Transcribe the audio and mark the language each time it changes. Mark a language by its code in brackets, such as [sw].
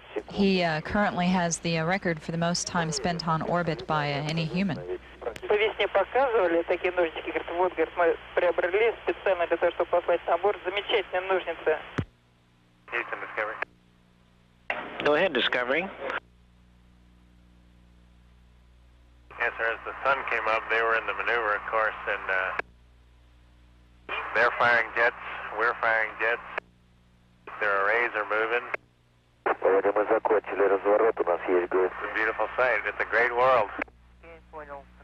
[en] He currently has the record for the most time spent on orbit by any human. [ru] По весне показывали такие ножнички, говорит, вот, говорит, мы приобрели специально для того, чтобы послать на борт замечательные ножницы. [en] Go ahead, Discovery. Yes, sir, as the sun came up, they were in the maneuver, of course, and they're firing jets, we're firing jets, their arrays are moving. [ru] Поэтому закончили разворот, у нас есть год. [en] It's a beautiful sight, it's a great world.